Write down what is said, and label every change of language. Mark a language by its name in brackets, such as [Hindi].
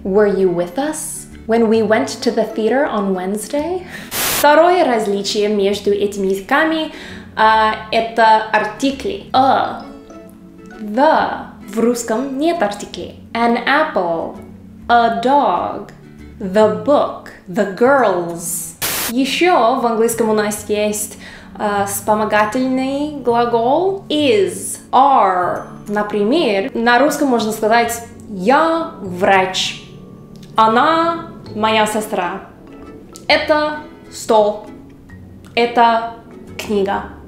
[English] Were you with us when we went to the theater on Wednesday? [Russian] Второе различие между этими языками это артикли. A, the. В русском нет артикли. [English] An apple, a dog, the book, the girls. [Russian] Еще в английском у нас есть вспомогательный глагол is, are. Например, на русском можно сказать «Я врач», «Она моя сестра», «Это стол», «Это книга».